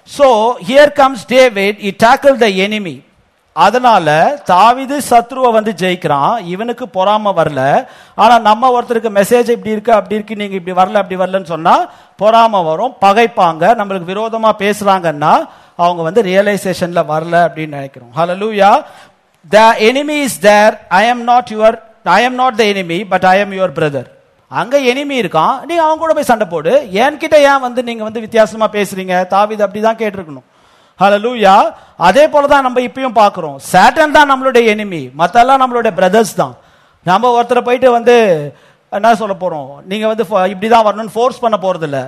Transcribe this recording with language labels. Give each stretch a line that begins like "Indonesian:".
English: So here comes David, he tackle the enemy.
Tamil: அதனால தாவீது சத்ருவை வந்து ஜெயிக்கிறான். இவனுக்கு பொறாம வரல. ஆனா நம்ம ஒருத்தருக்கு மெசேஜ் இப்படி இருக்கு அப்படி இருக்கு, நீங்க இப்படி வரல அப்படி வரலன்னு சொன்னா பொறாம வரும், பகைப்பாங்க, நம்மளுக்கு விரோதமா பேசுறாங்கன்னா அவங்க வந்து ரியலைசேஷன்ல வரல அப்படின்னு நினைக்கிறோம்.
English: Hallelujah. The enemy is there. I am not the enemy, but I am your brother.
Tamil: அங்க எனிமி இருக்கான், நீ அவன் கூட போய் சண்டை போடு. என்கிட்ட ஏன் வந்து நீங்க வந்து வித்தியாசமா பேசுறீங்க? தாவீது அப்படிதான் கேட்டிருக்கணும். ஹல்லேலூயா. அதே போலதான் நம்ம இப்பயும் பாக்குறோம். சாட்டன் தான் நம்மளுடைய எனிமி, மத்தெல்லாம் நம்மளுடைய பிரதர்ஸ் தான். நம்ம ஒருத்தர் போயிட்டு வந்து என்ன சொல்ல போறோம், நீங்க வந்து இப்படிதான் வரணும்னு ஃபோர்ஸ் பண்ண போறது இல்ல.